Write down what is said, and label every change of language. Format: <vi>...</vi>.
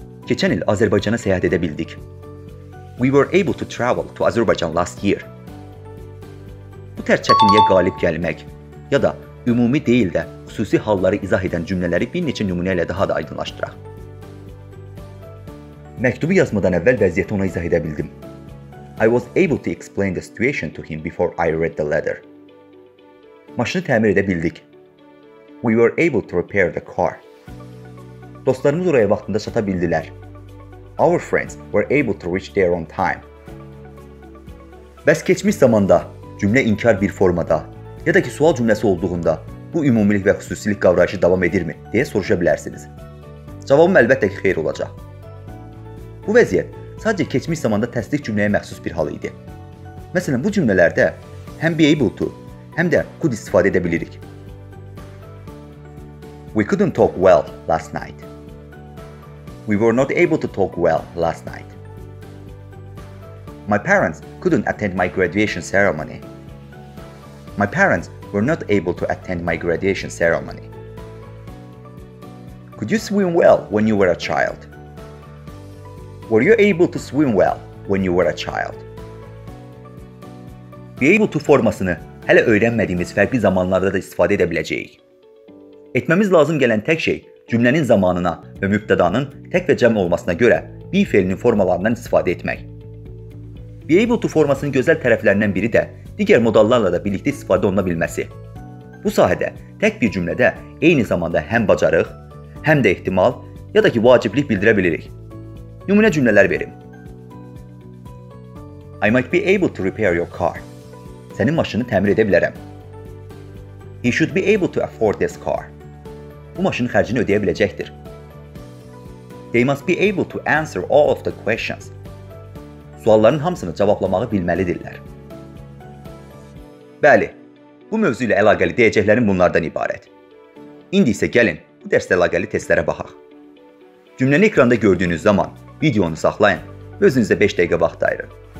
<az>Keçən il Azərbaycana səyahət edə bildik.</az> <en>We were able to travel to Azerbaijan last year.</en> <az>Bu tərs çətinliyə qalib gəlmək ya da ümumi deyil də xüsusi halları izah edən cümlələri bir neçə nümunə ilə daha da aydınlaşdıraq. Məktubu yazmadan əvvəl vəziyyəti ona izah edə bildim.</az> <en>I was able to explain the situation to him before I read the letter.</en> <az>Maşını təmir edə bildik.</az> <en>We were able to repair the car.</en> <az>Dostlarımız oraya vaxtında çata bildilər.</az> <en>Our friends were able to reach there on time.</en> <az>Bəs keçmiş zamanda, cümlə inkar bir formada ya da ki sual cümləsi olduğunda bu ümumilik və xüsusilik qavrayışı davam edirmi deyə soruşa bilərsiniz. Cavabım əlbəttə ki, xeyir olacaq. Bu vəziyyət sadəcə keçmiş zamanda təsdiq cümləyə məxsus bir hal idi. Məsələn, bu cümlələrdə həm be able to, həm də could istifadə edə bilirik.</az> <en>We couldn't talk well last night. We were not able to talk well last night. My parents couldn't attend my graduation ceremony. My parents were not able to attend my graduation ceremony. Could you swim well when you were a child? Were you able to swim well when you were a child?</en> <az>Be able to formasını hələ öyrənmədiyimiz fərqli zamanlarda da istifadə edə biləcəyik. Etməmiz lazım gələn tək şey cümlənin zamanına və mübtədanın tək və cəm olmasına görə be fiilinin formalarından istifadə etmək. Be able to formasının gözəl tərəflərindən biri də digər modallarla da birlikdə istifadə oluna bilməsi. Bu sahədə tək bir cümlədə eyni zamanda həm bacarıq, həm də ehtimal ya da ki vaciblik bildirə bilirik. Nümunə cümlələr verim.</az> <en>I might be able to repair your car.</en> <az>Sənin maşını təmir edə bilərəm.</az> <en>He should be able to afford this car.</en> <az>Bu maşının xərcini ödəyə biləcəkdir.</az> <en>They must be able to answer all of the questions.</en> <az>Sualların hamısını cavablamağı bilməlidirlər. Bəli, bu mövzu ilə əlaqəli deyəcəklərim bunlardan ibarət. İndi isə gəlin, bu dərslə əlaqəli testlərə baxaq. Cümləni ekranda gördüyünüz zaman videonu saxlayın və özünüzə 5 dəqiqə vaxt ayırın.</az>